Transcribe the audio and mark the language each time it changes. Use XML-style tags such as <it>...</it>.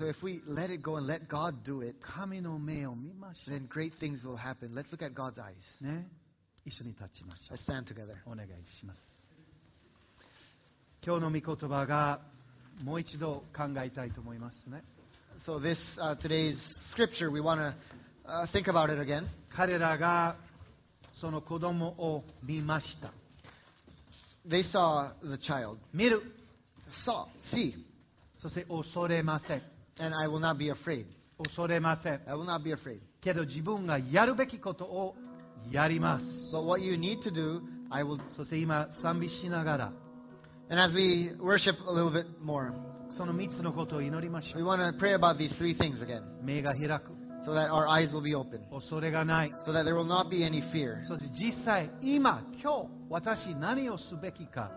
<en>So if we let it go and let God do it,</en> <ja>神の目を見ましょう。</ja> <en>Then great things will happen. Let's look at God's eyes.</en> <ja>ね、一緒に立ちましょう。</ja> <en>Let's stand together.</en> <ja>お願いします。今日の御言葉がもう一度考えたいと思いますね。</ja> <en>So this today's scripture, we want to think about it again.</en> <ja>彼らがその子供を見ました。</ja> <en>They saw the child.</en> <ja>見る.</ja> <en>Saw. See. So say,</en> <ja>恐れません.</ja> <en>And I will not be afraid.</en> <ja>恐れません.</ja> <en>I will not be afraid.</en> <ja>けど 自分がやるべきことを やります.</ja> <en>But what you need to do, I will.</en> <ja>そして今賛美しながら。</ja> <en>And as we worship a little bit more,</en> <ja>その3つのことを祈りましょう。</ja> <en>We want to pray about these three things again.</en> <ja>目が開く。</ja> <en>So that our eyes will be open.</en> <ja>恐れがない。</ja> <en>So that there will not be any fear.</en> <ja>そして実際今今日私何をすべきか。</ja>